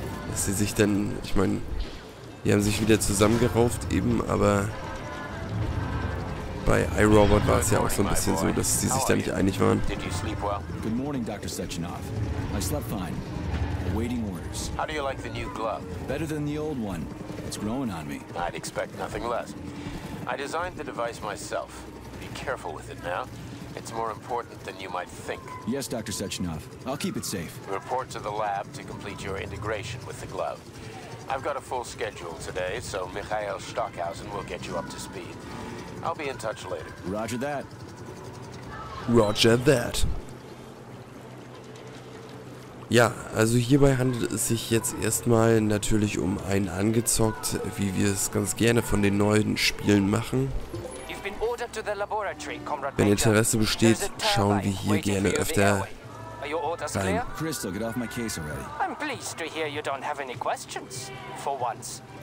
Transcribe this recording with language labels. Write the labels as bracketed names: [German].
[German] Dass sie sich denn, ich meine, die haben sich wieder zusammengerauft eben, aber bei iRobot war es ja auch so ein bisschen so, dass sie sich da nicht einig waren. [English] Good morning, Dr. Sechenov. I slept fine. Awaiting orders. How do you like the new glove? Better than the old one. It's growing on me. I'd expect nothing less. I designed the device myself. Be careful with it now. It's more important than you might think. Yes, Dr. Sechenov. I'll keep it safe. Report to the lab to complete your integration with the glove. I've got a full schedule today, so Mikhail Stockhausen will get you up to speed. I'll be in touch later. Roger that. Roger that. [German] Ja, also hierbei handelt es sich jetzt erstmal natürlich um einen AnGezockt, wie wir es ganz gerne von den neuen Spielen machen. Wenn Interesse besteht, schauen wir hier gerne öfter rein. [English] Crystal, get off my case already. I'm pleased to hear you don't have any questions, for once.